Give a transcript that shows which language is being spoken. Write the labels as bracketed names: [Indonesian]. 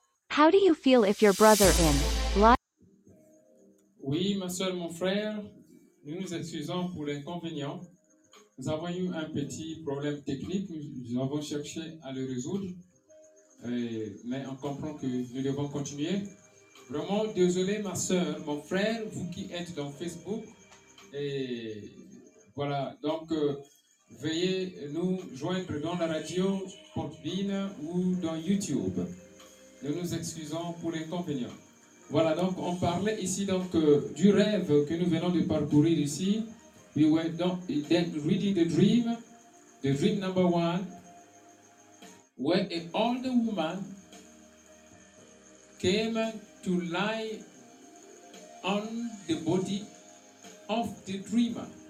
[English] How do you feel if your brother-in-law? [French] Oui, ma soeur, mon frère, nous nous excusons pour l'inconvénient. Nous avons eu un petit problème technique, nous avons cherché à le résoudre, mais on comprend que nous devons continuer. Vraiment, désolé, ma soeur, mon frère, vous qui êtes dans Facebook, et voilà, donc veuillez nous joindre dans la radio Podbean ou dans YouTube. Nous nous excusons pour l'inconvénient. Voilà, donc on parlait ici donc du rêve que nous venons de parcourir ici. [English] We were then reading the dream number one, where an old woman came to lie on the body of the dreamer.